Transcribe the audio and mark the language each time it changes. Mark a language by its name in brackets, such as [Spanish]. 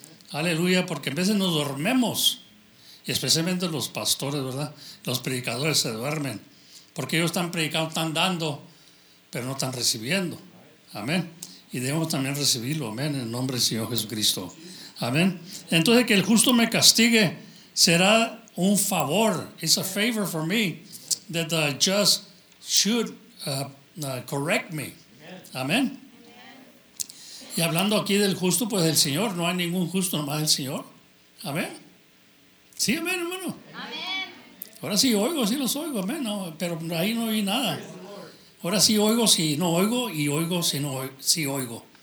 [Spanish] Aleluya, porque a veces nos dormemos. Y especialmente los pastores, ¿verdad? Los predicadores se duermen. Porque ellos están predicando, están dando, pero no están recibiendo. Amén. Y debemos también recibirlo, amén, en nombre del Señor Jesucristo. Amén. Entonces, que el justo me castigue será un favor. [English] It's a favor for me that the just should correct me. [Spanish] Amén. Y hablando aquí del justo, pues del Señor. No hay ningún justo, nomás el Señor. Amén. Sí, amén, hermano. Amén. Ahora sí oigo, sí los oigo, amén. No, pero ahí no oí nada. Ahora sí oigo, si no oigo, y oigo, si no oigo, si oigo.